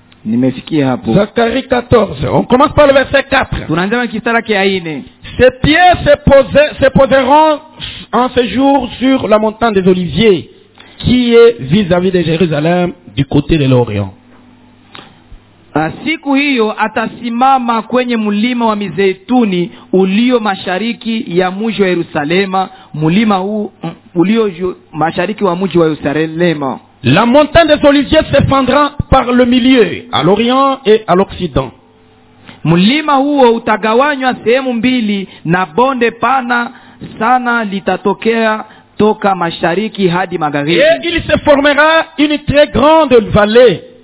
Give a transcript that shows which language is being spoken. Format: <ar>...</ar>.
<sw>Nimefikia hapo.</sw> <fr>Zacharie 14. On commence par le verset 4.</fr> <sw>Tunaanza na kitara kia 4. «</sw> <fr>Tes pieds se poseront en ce jour sur la montagne des Oliviers, qui est vis-à-vis de Jérusalem, du côté de l'Orient.</fr> <sw>Siku hiyo atasimama kwenye mlima wa Mizeituni ulio mashariki ya mji wa Yerusalema, mlima huu ulio mashariki wa mji wa Yerusalema.</sw> <fr>La montagne des Oliviers se fendra par le milieu, à l'Orient et à l'Occident.</fr> <sw>Mlima huo utagawanywa sehemu mbili na bonde pana sana litatokea toka mashariki hadi magharibi.</sw> <fr>Et il se formera une très grande vallée.</fr>